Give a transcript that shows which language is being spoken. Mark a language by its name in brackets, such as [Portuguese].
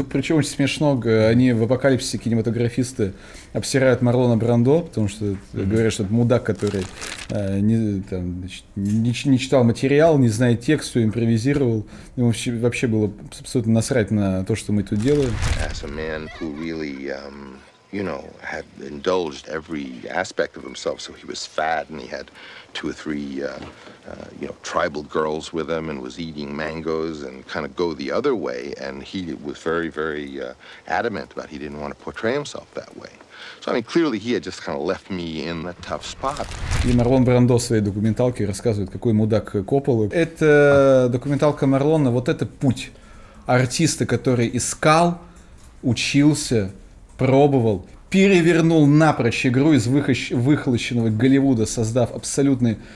[Russian] Причем очень смешно, они в «Апокалипсисе кинематографиста» обсирают Марлона Брандо, потому что говорят, что это мудак, который не читал материал, не знает текст, все импровизировал. Ему вообще было абсолютно насрать на то, что мы тут делаем. [English] As a man who really, you know, had indulged every aspect of himself, so he was fat and he had two or three, you know, tribal girls with him and was eating mangoes and kind of go the other way, and he was very, very adamant about he didn't want to portray himself that way. So, I mean, clearly he had just kind of left me in a tough spot. [Russian] И Марлон Брандо в своей документалке рассказывает, какой мудак Коппола. Это документалка Марлона, вот это путь артиста, который искал, учился, пробовал, перевернул напрочь игру из выхолощенного Голливуда, создав абсолютно